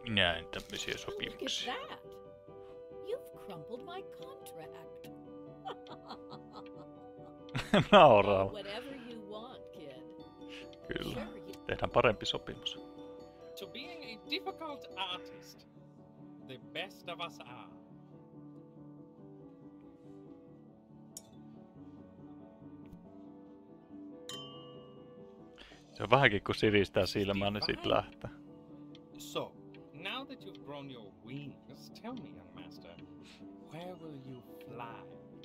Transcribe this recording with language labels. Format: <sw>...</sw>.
<fi>Minä en tämmöisiä sopimuksia.</fi> <en>You've crumpled my contract.</en> <fi>Nauraa.</fi> <en>Whatever you want, kid.</en> <fi>Kyllä. Tehdään parempi sopimus.</fi> <en>To being a difficult artist, the best of us are.</en> <fi>Se on vähänkin kun siristää silmään, niin sit lähtee.</fi> <en>So, now that you've grown your wings, tell me, young master, where will you fly?</en>